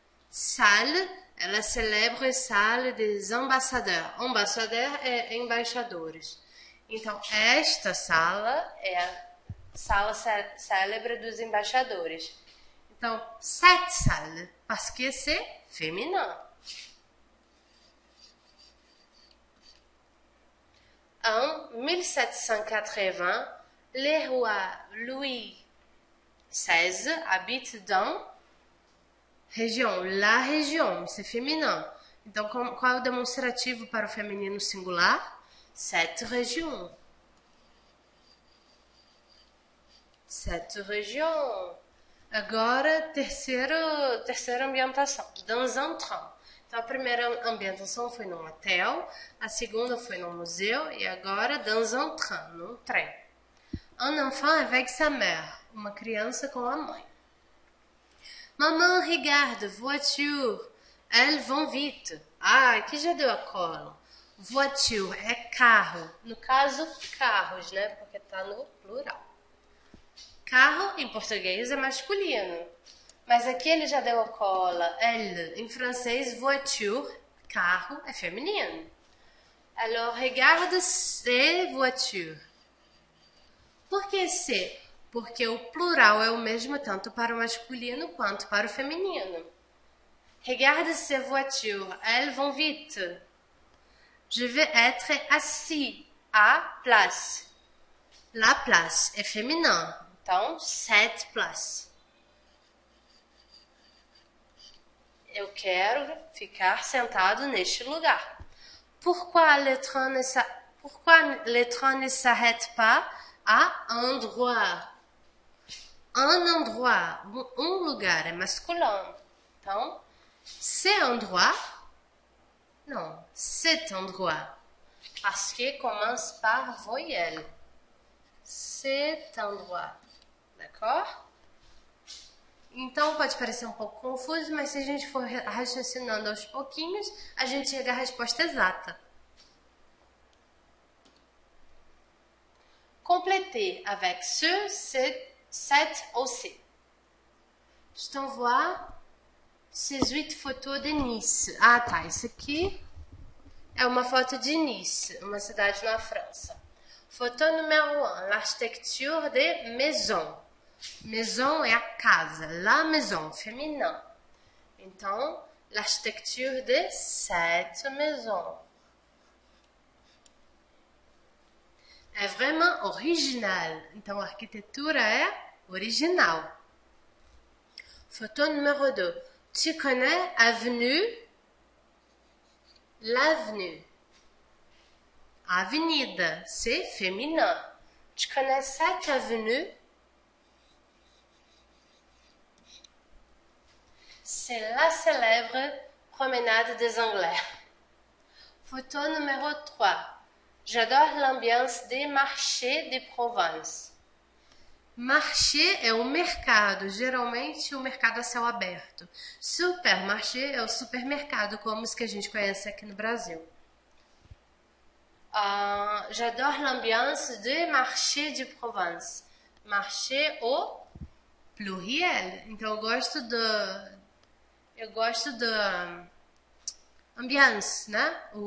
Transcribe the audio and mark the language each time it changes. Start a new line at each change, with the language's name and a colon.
French: Salle, ela célèbre salle des ambassadeurs.
Portuguese: Ambassadeurs é embaixadores. Então, esta sala é a sala célebre dos embaixadores.
French: Então, cette salle, parce que c'est féminin. Em 1780, le roi Louis XVI habite dans région, la région, c'est féminin.
Portuguese: Então, qual é o demonstrativo para o feminino singular?
French: Cette région. Cette région.
Portuguese: Agora, terceira ambientação,
French: dans un train.
Portuguese: Então, a primeira ambientação foi num hotel, a segunda foi num museu e agora
French: dans un train,
Portuguese: num trem.
French: Un enfant avec sa mère,
Portuguese: uma criança com a mãe.
French: Maman, regarde, voiture, elles vont vite.
Portuguese: Ah, aqui já deu a cola. Voiture é carro, no caso, carros, né? Porque tá no plural. Carro, em português, é masculino. Mas aqui ele já deu a cola. Elle, em francês, voiture, carro, é feminino.
French: Alors, regarde ces voitures.
Portuguese: Por que ces? Porque o plural é o mesmo tanto para o masculino quanto para o feminino.
French: Regarde ces voitures, elles vont vite. Je vais être assis à place. La place é feminin. Então, cette place.
Portuguese: Eu quero ficar sentado neste lugar.
French: Pourquoi le train ne s'arrête pas à endroit? Un endroit,
Portuguese: um lugar,
French: é masculin. Então, c'est endroit? Não, cet endroit. Parce que commence par voyelle. Cet endroit. D'accord?
Portuguese: Então, pode parecer um pouco confuso, mas se a gente for raciocinando aos pouquinhos, a gente chega à resposta exata.
French: Completez avec ce, cet, cet ou ce. Je t'envoie ces 8 photos de Nice.
Portuguese: Ah, tá. Isso aqui é uma foto de Nice, uma cidade na França.
French: Photo número 1, l'architecture de maison. Maison
Portuguese: é a casa,
French: la maison, feminin. Então, l'architecture de cette maison. É vraiment original.
Portuguese: Então, a arquitetura é original.
French: Photo número 2. Tu connais avenue? L'avenue. Avenida, c'est féminin. Tu connais cette avenue? C'est la célèbre promenade des Anglais. Photo numéro 3. J'adore l'ambiance des marchés de Provence.
Portuguese: Marché é o mercado, geralmente o mercado a céu aberto. Supermarché é o supermercado, como os que a gente conhece aqui no Brasil.
French: J'adore l'ambiance des marchés de Provence. Marché au pluriel.
Portuguese: Então, eu gosto da ambiance, né?